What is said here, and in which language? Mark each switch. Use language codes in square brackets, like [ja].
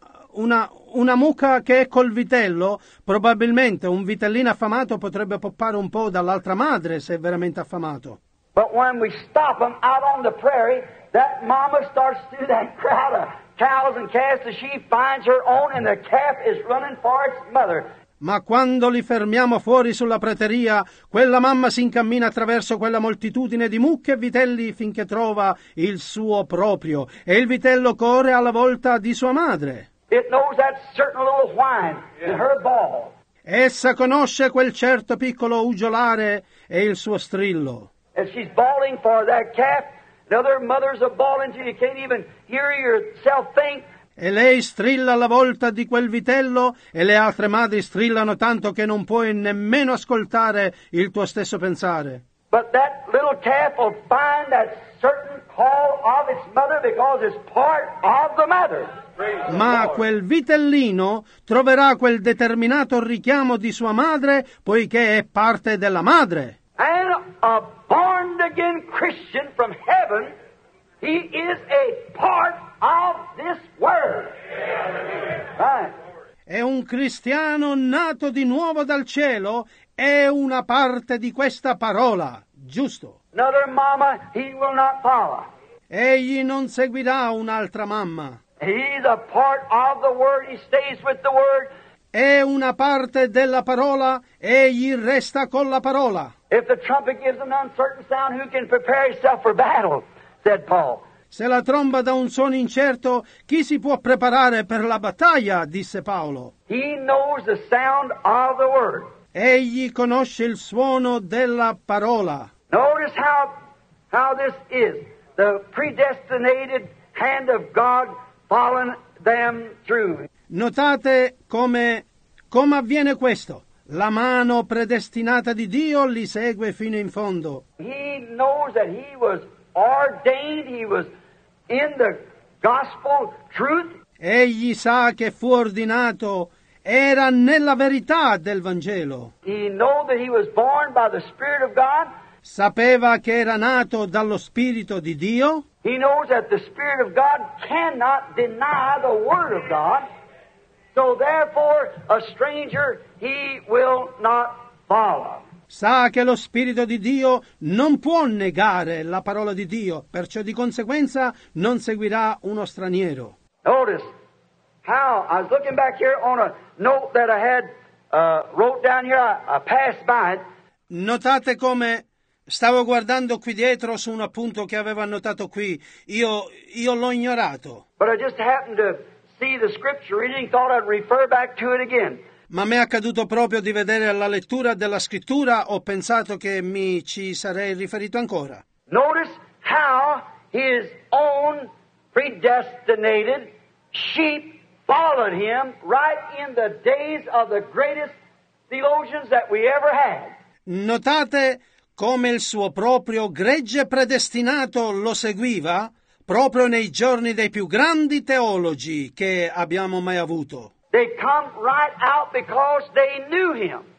[it] Una mucca che è col vitello, probabilmente un vitellino affamato potrebbe poppare un po' dall'altra madre se è veramente affamato. [en] But when we stop them out on the prairie, that mama starts through that crowd of cows and calves, and she finds her own, and the calf is running for its mother. [it] Ma quando li fermiamo fuori sulla prateria, quella mamma si incammina attraverso quella moltitudine di mucche e vitelli finché trova il suo proprio, e il vitello corre alla volta di sua madre. [en] It knows that certain little whine in her ball. [it] Essa conosce quel certo piccolo uggiolare e il suo strillo. [en] And she's bawling for that calf. The other mothers are bawling till you can't even hear yourself think. [it] E lei strilla alla volta di quel vitello e le altre madri strillano tanto che non puoi nemmeno ascoltare il tuo stesso pensare. [en] But that little calf will find that certain call of its mother because it's part of the mother. [it] Ma quel vitellino troverà quel determinato richiamo di sua madre poiché è parte della madre. [en] And a born again Christian from heaven, he is a part of this world. Right. [it] E un cristiano nato di nuovo dal cielo è una parte di questa parola, giusto? [en] Another mama he will not follow. [it] Egli non seguirà un'altra mamma. [en] He's a part of the word, he stays with the word. [it] È una parte della parola, egli resta con la parola. [en] If the trumpet gives an uncertain sound, who can prepare himself for battle? Said Paul. [it] Se la tromba dà un suono incerto, chi si può preparare per la battaglia? Disse Paolo. [en] He knows the sound of the word. [it] Egli conosce il suono della parola. [en] Notice how this is. The predestinated hand of God following them through. [it] Notate come avviene questo. La mano predestinata di Dio li segue fino in fondo. [en] He knows that he was ordained, he was in the gospel truth. [it] Egli sa che fu ordinato, era nella verità del Vangelo. [en] He knew that he was born by the Spirit of God. [it] Sapeva che era nato dallo Spirito di Dio. [en] He knows that the Spirit of God cannot deny the Word of God. So therefore, a stranger he will not follow. [it] Sa che lo Spirito di Dio non può negare la parola di Dio, perciò di conseguenza non seguirà uno straniero. [en] Notice how I was looking back here on a note that I had wrote down here, I passed by it. [it] Notate come stavo guardando qui dietro su un appunto che avevo annotato qui. Io l'ho ignorato. [en] But I just happened to see the scripture reading, thought I'd refer back to it again. [it] Ma mi è accaduto proprio di vedere la lettura della scrittura, ho pensato che mi ci sarei riferito ancora. [en] Notice how his own predestinated sheep followed him right in the days of the greatest theologians that we ever had. [it] Notate come il suo proprio gregge predestinato lo seguiva proprio nei giorni dei più grandi teologi che abbiamo mai avuto. [en] They come right out because they knew him.